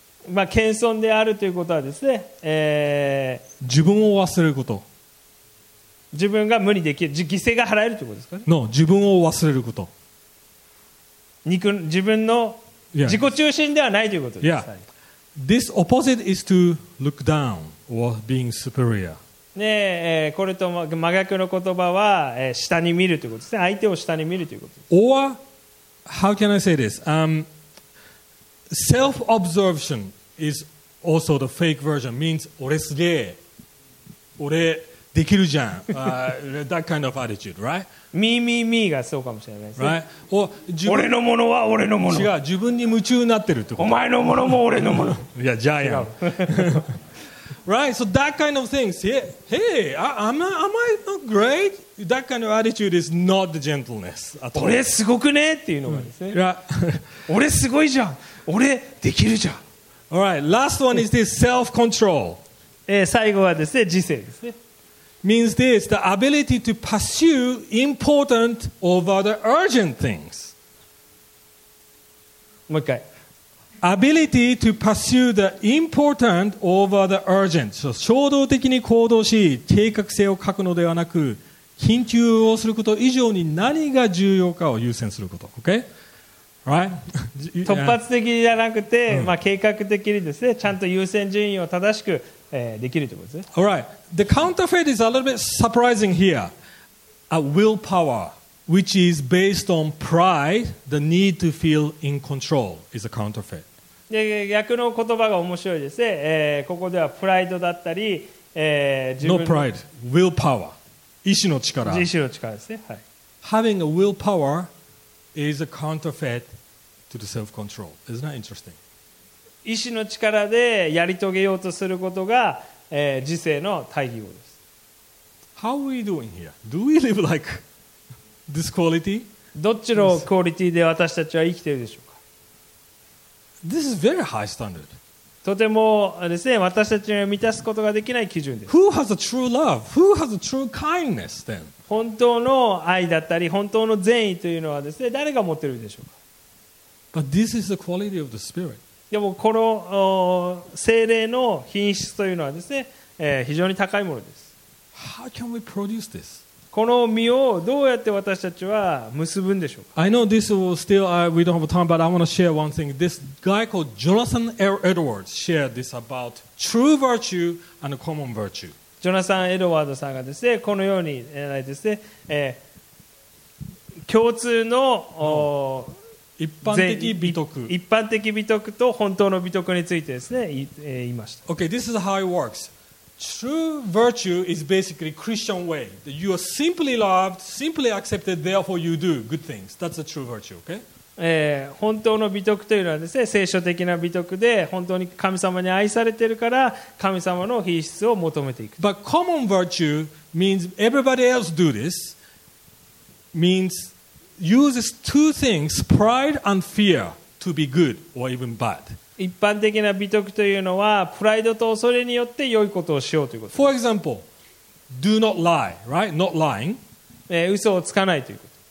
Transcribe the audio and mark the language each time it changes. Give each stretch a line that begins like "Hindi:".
Japanese: まあ、謙遜であるということはですね、自分を忘れること自分が無にできる犠牲が払えるということですかね no, 自分を忘れること自分の自己中心ではないということです、
English: yeah. Yeah. This opposite is to look down or being superior、
Japanese: ねこれと真逆の言葉は、下に見るということですね相手を下に見るということです
English: Or how can I say this?、Self-observation is also the fake version. Means,
Japanese: 俺すげえ。俺できるじゃん。
English: That kind of attitude, right? Me, me, me
Japanese: がそうかもしれないです、ね。
English: Right?
Japanese: Or, 俺のものは俺のもの。違う、自分に夢中になってるってこと。お前のものも俺のもの。いや、
English: ジャイアン。Right? So that kind of things. Hey, am I not great? That kind of attitude is not the gentleness.
Japanese: 俺すごくねっていうのがですね。
English: Right.
Japanese: 俺すごいじゃん。俺できるじゃん。
English: All right. Last one is this self-control.
Japanese: 最後はですね、自制ですね。
English: Means this, the ability to pursue important over the urgent things.
Japanese: もう一回。
English: ability to pursue the important over the urgent.
Japanese: So, 衝動的に行動し、計画性を書くのではなく、緊急をすること以上に何が重要かを優先すること。
English: OK? Right?
Japanese: 突発的じゃなくて、まあ、計画的にですね、ちゃんと優先順位を正しく、できるということですね。
English: All right. The counterfeit is a little bit surprising here. A willpower. Which is based on pride, the need to feel in control is a counterfeit.
Japanese: 逆の言葉が面白いですね。ここではプライドだったり、
English: No pride, willpower,
Japanese: 意志の力。意志の力ですね。はい。
English: Having a willpower is a counterfeit to the self-control. Isn't that interesting?
Japanese: 意志の力でやり遂げようとすることが、自制の対義語です。
English: How are we doing here? Do we live like... This quality?
Japanese: どっちのクオリティで私たちは生きているでしょうか?
English: This is very high standard.
Japanese: とてもですね、私たちを満たすことができない基準です。
English: Who has a true love? Who has a true kindness then?
Japanese: 本当の愛だったり、本当の善意というのはですね、誰が持っているでしょうか?
English: But this is the quality of the Spirit.
Japanese: でもこの聖霊の品質というのはですね、非常に高いものです。
English: How can we produce this?
Japanese: この実をどうやって私たちは結ぶんでしょうか?
English: I know this will still, we don't have time, but I want to share one thing. This guy called Jonathan Edwards shared this about true virtue and common virtue.
Japanese: ジョナサン・エドワードさんがですね、このようにですね、共通の、一般的美徳。一般的美徳と本当の美徳についてですね、言いました。
English: Okay, this is how it works. True virtue is basically Christian way. You are simply loved, simply accepted, therefore you do good things. That's a true virtue, okay?
Japanese: 本当の美徳というのはですね、聖書的な美徳で、本当に神様に愛されているから、神様の品質を求めていく。
English: But common virtue means everybody else do this, means uses two things, pride and fear, to be good or even bad.
Japanese: 一般的な美徳というのはプライドと恐れによって良いことをしようということです。
English: For example, do not lie, right? Not lying.
Japanese: 嘘をつかないということ。